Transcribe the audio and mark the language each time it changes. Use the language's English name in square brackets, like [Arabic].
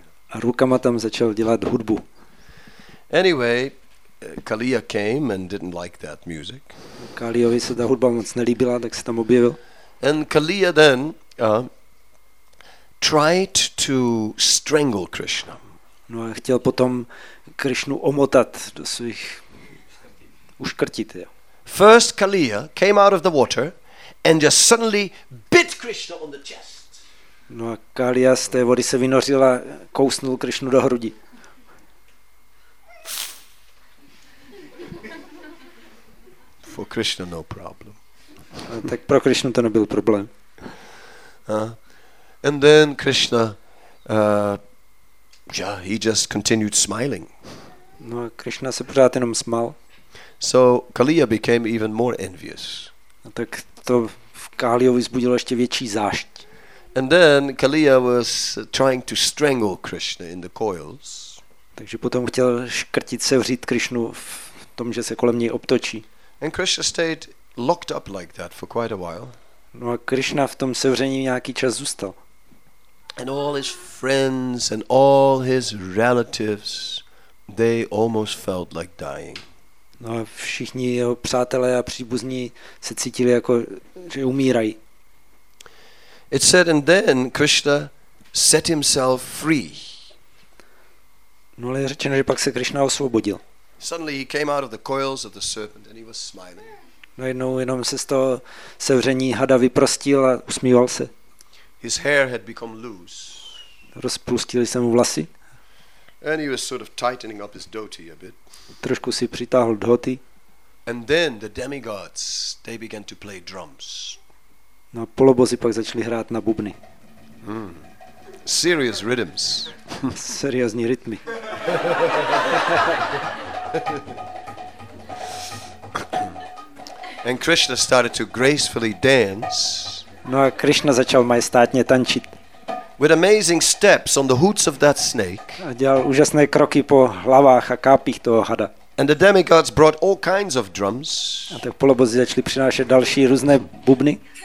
[Czech] A rukama tam začal dělat hudbu. [English] Anyway, Kaliya came and didn't like that music. [Czech] Kaliyovi se ta hudba moc nelíbila, tak se tam objevil. [English] And Kaliya then tried to strangle Krishna. [Czech] No a chtěl potom Krishnu omotat do svých uškrtit. [English] First Kaliya came out of the water and just suddenly bit Krishna on the chest. [Czech] No a Kaliya z té vody se vynořila, kousnul Krishnu do hrudi. [English] For Krishna no problem. [Czech] Tak pro Krishnu to nebyl problém. [English] And then Krishna he just continued smiling. [Czech] No a Krishna se pořád jenom smál. [English] So Kaliya became even more envious. [Czech] A tak to v Kaliyovi vzbudilo ještě větší zášť. [English] And then Kaliya was trying to strangle Krishna in the coils. [Czech] Takže potom chtěl škrtit sevřít Krishnu v tom, že se kolem něj obtočí. [English] And Krishna stayed locked up like that for quite a while. [Czech] No a Krishna v tom sevření nějaký čas zůstal. [English] And all his friends and all his relatives, they almost felt like dying. [Czech] No a všichni jeho přátelé a příbuzní se cítili jako, že umírají. [English] It said, and then Krishna set himself free. [Czech] No ale je řečeno, že pak se Krishna osvobodil. [English] Suddenly he came out of the coils of the serpent and he was smiling. [Czech] No jednou jenom se z toho sevření hada vyprostil a usmíval se. [English] His hair had become loose. [Czech] Rozpustili se mu vlasy. [English] And he was sort of tightening up his dhoti a bit. [Czech] Trošku si přitáhl dhoti. [English] And then the demigods, they began to play drums. [Czech] No a polobozy pak začali hrát na bubny. [English] Serious rhythms. [Czech] Seriózní rytmy. [English] And Krishna started to gracefully dance. [Czech] No a Krishna začal majestátně tančit. [English] With amazing steps on the hoots of that snake. [Czech] A dělal úžasné kroky po hlavách a kápích toho hada. [English] And the demigods brought all kinds of drums. [Czech] A tak polobozy začali přinášet další různé bubny.